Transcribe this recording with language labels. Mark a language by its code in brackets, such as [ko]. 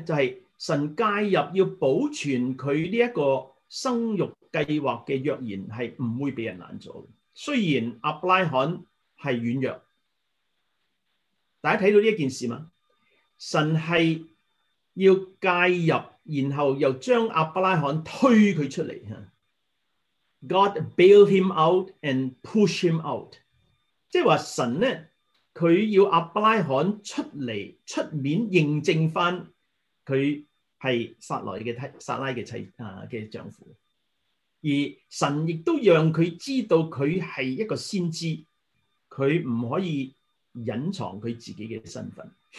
[zh] 就是神介入要保存他这个生育计划的约言是不会被人拦阻的。虽然阿伯拉罕是软弱。大家看到这件事吗？神是要介入，然后又将阿伯拉罕推他出来。 [en] God bail him out and push him out。 [zh] 即是说神呢，他要阿伯拉罕出来出面认证他是撒拉 的丈夫。而神亦都让他知道他是一个先知，他不可以隐藏他自己的身份。